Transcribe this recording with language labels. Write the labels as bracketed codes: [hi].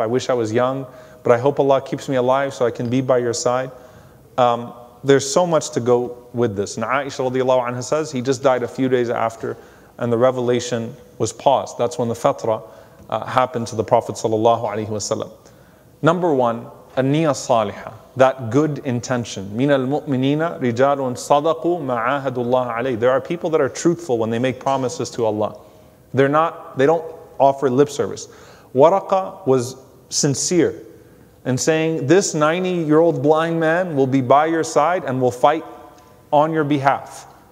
[en] I wish I was young, but I hope Allah keeps me alive so I can be by your side. There's so much to go with this. And Aisha radiallahu anha says he just died a few days after and the revelation was paused. That's when the fatrah happened to the Prophet sallallahu alaihi wasallam. Number one, an-niyya saliha, that good intention. [ar] من المؤمنين رجال صدقوا ما عاهدوا الله عليه. [en] There are people that are truthful when they make promises to Allah. They don't offer lip service. Waraqa was sincere in saying, this 90-year-old blind man will be by your side and will fight on your behalf.